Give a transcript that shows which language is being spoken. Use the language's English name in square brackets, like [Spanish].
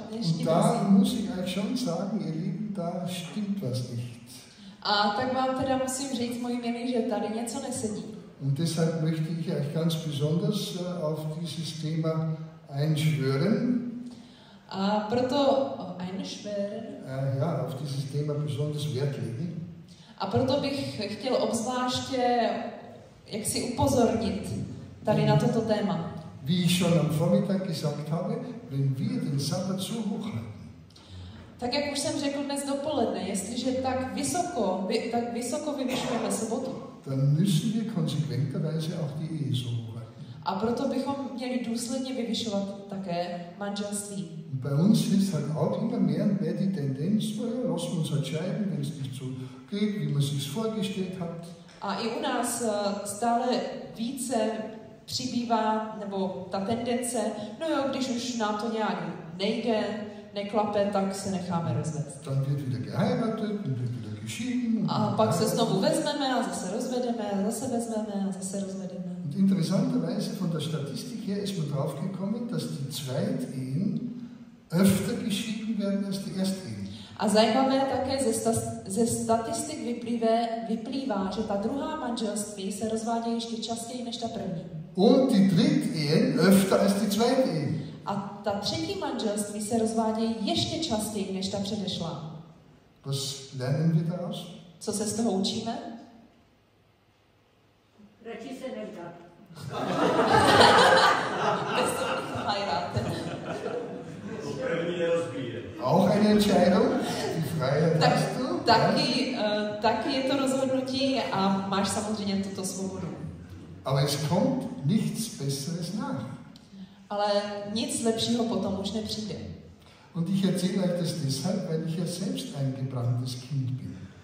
[German] Und da muss ich euch schon sagen, ihr Lieben, da stimmt was nicht. [Czech] A tak vám teda musím říct, moji milí, že tady něco nesedí. [German] Und deshalb möchte ich euch ganz besonders auf dieses Thema einschwören. [Czech] A proto einschwören. [German] Ja, auf dieses Thema besonders Wert legen. [Czech] A proto bych chtěl obzvláště jaksi upozornit tady na toto téma. [German] Wie ich schon am Vormittag gesagt habe, wenn wir den Sabbat so hoch halten. [Czech] Tak jak už jsem řekl dnes dopoledne, jestliže tak vysoko vyvyšujeme sobotu. [German] Dann müssen wir konsequenterweise auch die Ehe so hoch halten. [Czech] A proto bychom měli důsledně vyvyšovat také manželství. [German] Bei uns ist halt auch immer mehr und mehr die Tendenz, lass uns entscheiden, wenn es nicht so geht, wie man sich's vorgestellt hat. [Czech] A i u nás stále více přibývá, nebo ta tendence, no jo, když už nám to nějak nejde, neklape, tak se necháme rozvést. [German] Dann wird wieder geheiratet und wird wieder geschieden. [Czech] A pak se znovu vezmeme a zase rozvedeme, zase vezmeme a zase rozvedeme. [German] Und interessanterweise von der Statistik her ist man drauf gekommen, dass die Zweitehen öfter geschieden werden als die Erstehen. [Czech] A zajímavé také ze statistik vyplývá, že ta druhá manželství se rozvádějí ještě častěji než ta první. [German] Und die Drittehen öfter als die Zweitehen. [Czech] A ta třetí manželství se rozvádějí ještě častěji než ta předešlá. [German] Was lernen wir daraus? [Czech] Co se z toho učíme? Radši se nevdat. [German] Auch eine Entscheidung, die Freiheit hast du. [Czech] Taky je to rozhodnutí a máš samozřejmě tuto svobodu. [German] Aber es kommt nichts Besseres nach. [Czech] Ale nic lepšího potom už nepřijde. [German] Und ich erzähle euch das deshalb, weil ich ja selbst ein gebranntes Kind bin.